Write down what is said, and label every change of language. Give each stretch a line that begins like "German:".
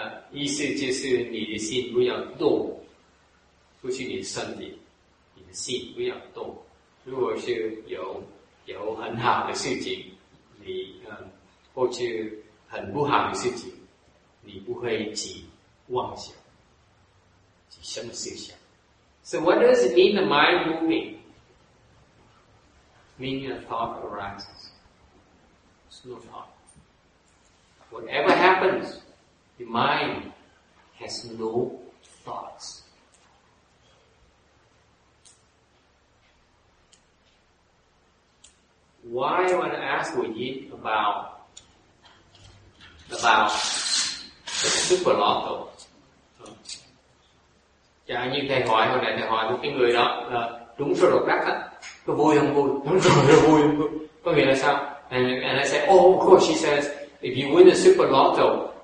Chinese: 意思就是你的心不要动，不是你的身体，你的心不要动。如果是有很好的事情，你或是很不好的事情，你不会起妄想，起什么思想。
English: So what does it mean the mind moving? Meaning a thought arises. It's no thought. Whatever happens. Your mind has no thoughts. Why I want to ask Wu Yin about the super lotto?
Vietnamese: Chẳng như thầy hỏi hồi nãy thầy hỏi một cái người đó là trúng số độc đắc á, có vui không vui? Trúng số độc đắc vui không vui? Có nghĩa là sao?
English: And I say, oh, of course, she says, if you win the super lotto.